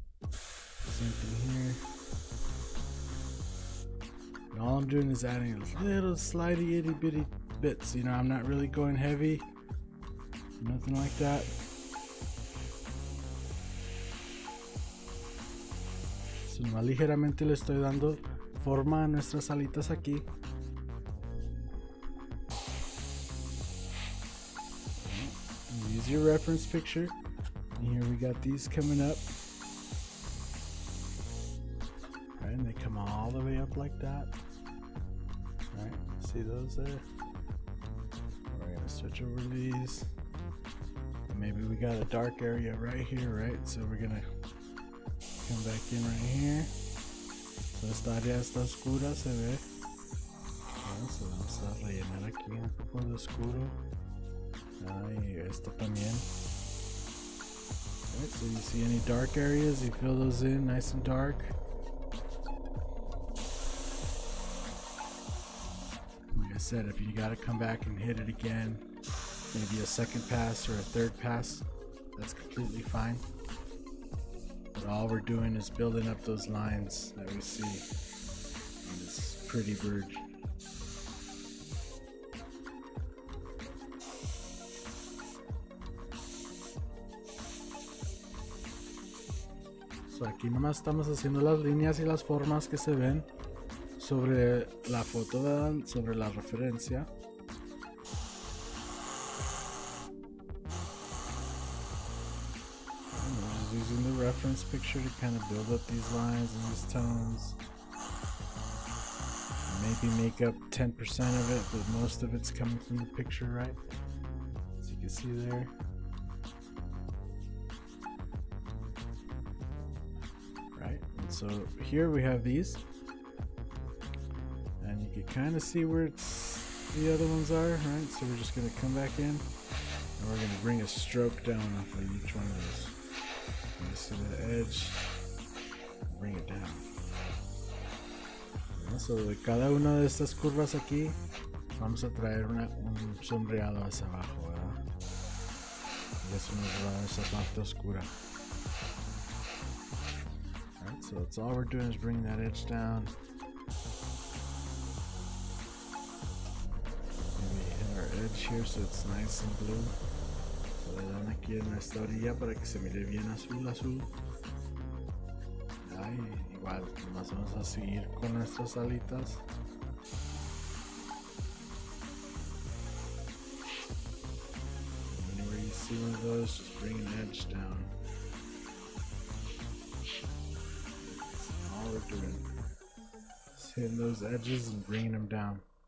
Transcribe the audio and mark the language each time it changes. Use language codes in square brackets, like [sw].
[en] Same thing here. And all I'm doing is adding a little slidey itty bitty bits, you know. I'm not really going heavy, nothing like that. [es] Más ligeramente le estoy dando forma a nuestras alitas aquí. [en] Use your reference picture. And here we got these coming up. Right, and they come all the way up like that. Right, see those there? We're gonna switch over to these. maybe we got a dark area right here, right? So we're gonna come back in right here. [es] So esta área está oscura, se ve. So vamos a rellenar aquí un poco de oscuro. Ay, esto también. [en] Alright, so you see any dark areas, you fill those in nice and dark. Like I said, if you gotta come back and hit it again, maybe a second pass or a third pass, that's completely fine. But all we're doing is building up those lines that we see on this pretty bridge. [es] So aquí nomás estamos haciendo las líneas y las formas que se ven sobre la foto, sobre la referencia. [en] And we're just using the reference picture to kind of build up these lines and these tones. Maybe make up 10% of it, but most of it's coming from the picture, right? As you can see there. So here we have these, and you can kind of see where it's, the other ones are, right? So we're just going to come back in, and we're going to bring a stroke down off of each one of those. You can see the edge, bring it down. [es] So de cada una de estas curvas aquí, vamos a traer un sombreado hacia abajo, ¿verdad? Y eso nos va a dar esa parte oscura. [en] So that's all we're doing, is bringing that edge down. Maybe hit our edge here so it's nice and blue. [es] So le dan aquí en esta orilla para que se mire bien azul, azul. Ay, igual, nomás vamos a seguir con nuestras alitas. [en] Whenever you see one of those, just bring an edge down. Just hitting those edges and bringing them down.